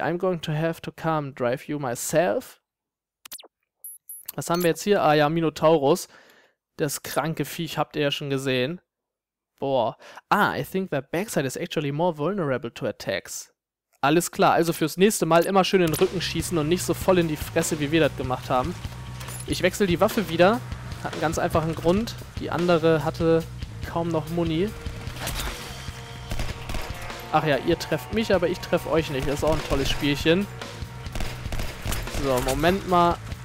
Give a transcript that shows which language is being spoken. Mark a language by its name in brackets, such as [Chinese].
[English] I'm going to have to come drive you myself. [German] Was haben wir jetzt hier? Ah ja, Minotaurus. Das kranke Viech habt ihr ja schon gesehen. Boah. [English] Ah, I think that backside is actually more vulnerable to attacks. [German] Alles klar, also fürs nächste Mal immer schön in den Rücken schießen und nicht so voll in die Fresse, wie wir das gemacht haben. Ich wechsle die Waffe wieder. Hat einen ganz einfachen Grund. Die andere hatte kaum noch Muni. Ach ja, ihr trefft mich, aber ich treffe euch nicht. Das ist auch ein tolles Spielchen. So, Moment mal.